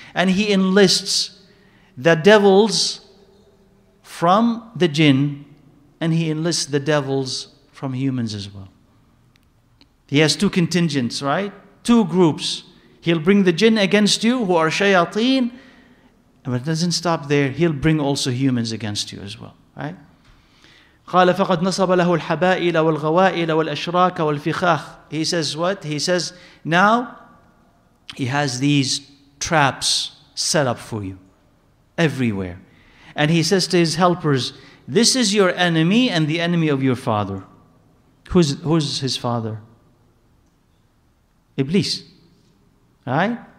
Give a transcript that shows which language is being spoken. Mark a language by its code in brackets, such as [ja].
[en] And he enlists the devils from the jinn, and he enlists the devils from humans as well. He has two contingents, right? Two groups. He'll bring the jinn against you who are shayateen, but it doesn't stop there. He'll bring also humans against you as well, right? [ar] قال فقد نصب له الحبائل والغوائل والأشراك والفخاخ. [en] He says what? He says now he has these traps set up for you everywhere. And he says to his helpers, this is your enemy and the enemy of your father. Who's his father? Iblis. Right?